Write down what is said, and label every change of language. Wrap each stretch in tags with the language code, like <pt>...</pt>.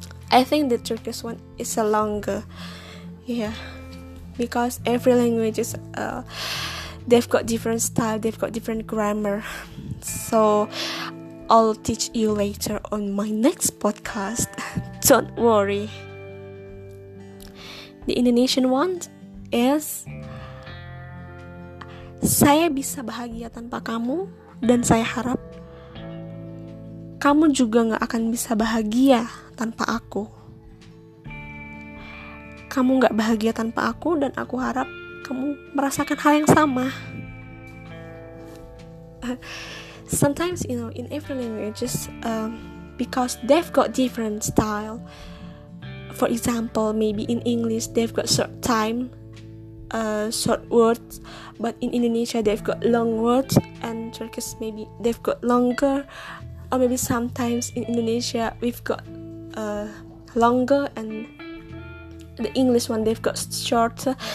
<en>I think the Turkish one is a longer, yeah, because every language is, they've got different style, they've got different grammar. So I'll teach you later on my next podcast. Don't worry. The Indonesian one is,</en> <id>saya bisa bahagia tanpa kamu, dan saya harap kamu juga gak akan bisa bahagia tanpa aku. Kamu gak bahagia tanpa aku, dan aku harap kamu merasakan hal yang sama.</id> <en>Sometimes, you know, in every language, just because they've got different style. For example, maybe in English they've got short time, short words, but in Indonesia they've got long words, and Turkish maybe they've got longer, or maybe sometimes in Indonesia we've got longer, and the English one they've got shorter.</en>